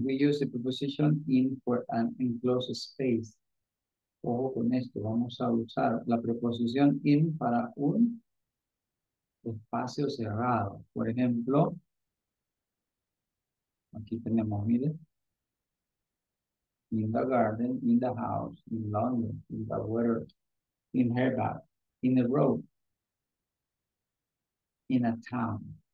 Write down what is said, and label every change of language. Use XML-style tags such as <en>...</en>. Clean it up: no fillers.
<en>We use the preposition in for an enclosed space.</en> <es>Ojo con esto. Vamos a usar la preposición in para un espacio cerrado. Por ejemplo, aquí tenemos, mire,</es> <en>in the garden, in the house, in London, in the water, in her bath, in the road, in a town.</en>